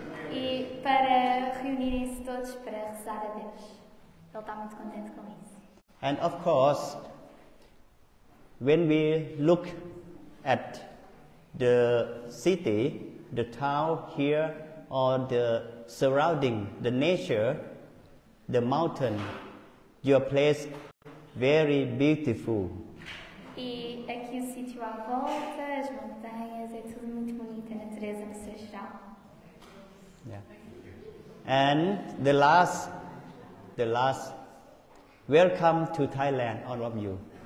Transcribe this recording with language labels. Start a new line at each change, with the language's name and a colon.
Portuguese: E para reunirem-se todos para rezar a Deus. Ele está muito contente com isso.
English: And of course, when we look at the city, the town here, or the surrounding, the nature, the mountain, your place, very beautiful.
Portuguese: E aqui o sítio à volta, as montanhas, é tudo muito bonito, a natureza no seu geral.
English: Yeah. And the last, welcome to Thailand, all of you.